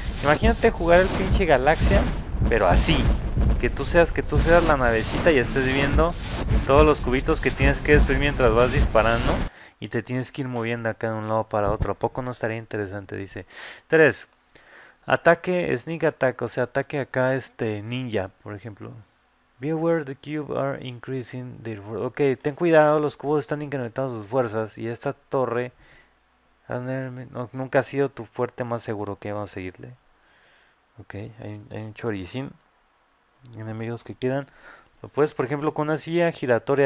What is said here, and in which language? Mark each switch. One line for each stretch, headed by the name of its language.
Spanish: Imagínate jugar el pinche Galaxia, pero así. Que tú seas la navecita y estés viendo todos los cubitos que tienes que destruir mientras vas disparando. Y te tienes que ir moviendo acá de un lado para otro. ¿A poco no estaría interesante? Dice. 3. Ataque,
English: sneak attack,
Spanish: o sea, ataque acá ninja, por ejemplo.
English: Be aware the cube are increasing their force.
Spanish: Ok, ten cuidado, los cubos están incrementando sus fuerzas. Y esta torre no, nunca ha sido tu fuerte más seguro. Ok, vamos a seguirle. Ok, hay un choricín. Enemigos que quedan. Lo puedes, por ejemplo, con una silla giratoria.